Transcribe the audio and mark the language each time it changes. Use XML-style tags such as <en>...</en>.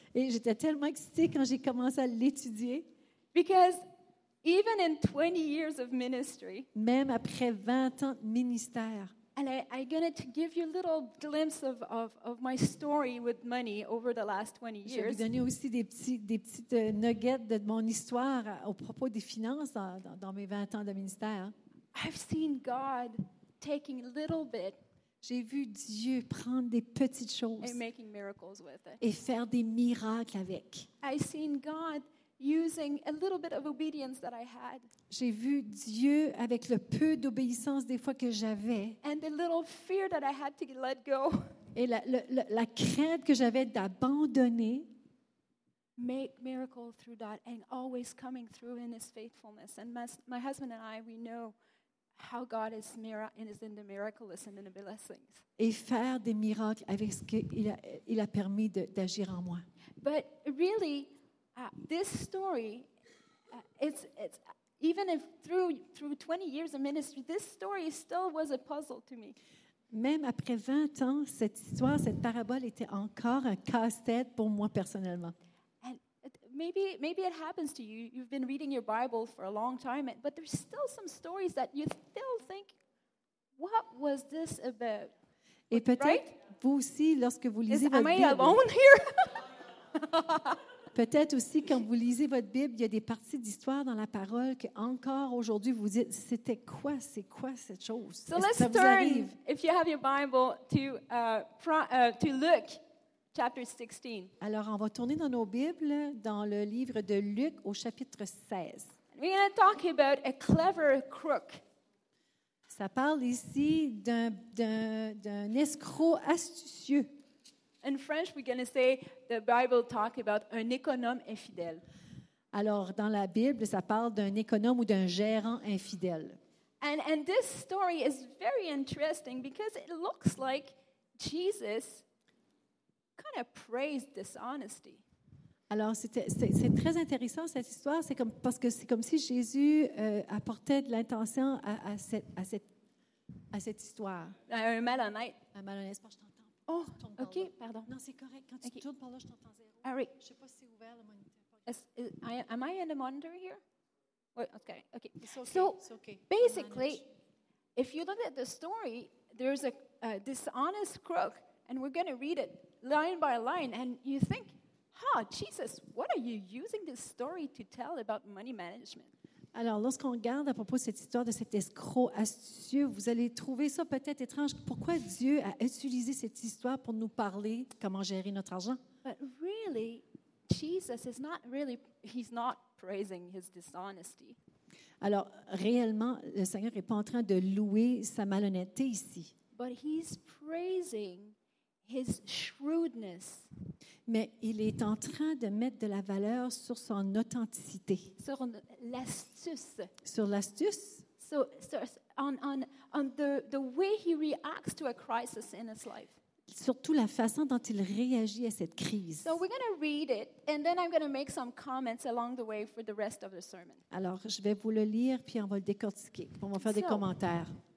<fr>Et j'étais tellement excitée quand j'ai commencé à l'étudier.</fr> <en>Because even in 20 years of ministry,</en> <fr>même après 20 ans de ministère,</fr> <en>And I'm going to give you a little glimpse of my story with money over the last 20 years.</en> <fr>Je vais vous donner aussi des petites nuggets de mon histoire au propos des finances dans mes 20 ans de ministère.</fr> <en>I've seen God taking a little bit.</en> <fr>J'ai vu Dieu prendre des petites choses</fr> <en>and making miracles with it.</en> <fr>Et faire des miracles avec.</fr> <en>I've seen God using a little bit of obedience that I had.</en> <fr>J'ai vu Dieu avec le peu d'obéissance des fois que j'avais.</fr> <en>And the little fear that I had to let go.</en> <fr>Et la crainte que j'avais d'abandonner.</fr> <en>Make miracles through that and always coming through in His faithfulness. And my husband and I, we know how God is in the miraculous and in the blessings.</en> <fr>Et faire des miracles avec ce qu'il a permis d'agir en moi.</fr> <en>But really, this story, it's even if through 20 years of ministry, this story still was a puzzle to me.</en> <fr>Même après 20 ans, cette histoire, cette parabole était encore un casse-tête pour moi personnellement.</fr> <en>Maybe it happens to you. You've been reading your Bible for a long time, but there's still some stories that you still think, what was this about?</en> <fr>Et peut-être</fr> <en>right?</en> <fr>Vous aussi, lorsque vous lisez votre Bible.</fr> <en>Am I alone here?</en> <fr>Peut-être aussi, quand vous lisez votre Bible, il y a des parties d'histoire dans la parole que encore aujourd'hui, vous dites, c'était quoi? C'est quoi cette chose?</fr> <en>So let's turn, if you have your Bible, to Luke. Chapter 16.</en> <fr>Alors, on va tourner dans nos Bibles, dans le livre de Luc, au chapitre 16.</fr> <en>We're going to talk about a clever crook.</en> <fr>Ça parle ici d'un escroc astucieux.</fr> <en>In French, we're going to say the Bible talk about</en> <fr>un économe infidèle. Alors, dans la Bible, ça parle d'un économe ou d'un gérant infidèle.</fr> <en>And this story is very interesting because it looks like Jesus kind of praised dishonesty.</en> <fr>Alors c'est très intéressant cette histoire, c'est comme si Jésus apportait de l'intention à cette histoire. Un malhonnête. Un malhonnête, je t'entends. Oh, OK, pardon. Non, c'est correct, quand okay. Tu tournes par là, je t'entends zéro.</fr> <en>All right.</en> <fr>Je sais pas si c'est ouvert le moniteur.</fr> <en>Am I in the monitor here? Wait, okay. Okay. It's okay. So, okay. Basically, if you look at the story, there's a dishonest crook and we're going to read it line by line, and you think, huh, Jesus, what are you using this story to tell about money management?</en> <fr>Alors, lorsqu'on regarde à propos de cette histoire de cet escroc astucieux, vous allez trouver ça peut-être étrange. Pourquoi Dieu a utilisé cette histoire pour nous parler comment gérer notre argent?</fr> <en>But really, Jesus is not really, he's not praising his dishonesty.</en> <fr>Alors, réellement, le Seigneur n'est pas en train de louer sa malhonnêteté ici.</fr> <en>But he's praising his shrewdness.</en> <fr>Mais il est en train de mettre de la valeur sur son authenticité. Sur l'astuce. Sur l'astuce.</fr> <en>So on the way he reacts to a crisis in his life.</en> <fr>Surtout la façon dont il réagit à cette crise.</fr> <en>So we're going to read it and then I'm going to make some comments along the way for the rest of the sermon.</en> <fr>Alors, je vais vous le lire puis on va le décortiquer. On va faire des commentaires.</fr>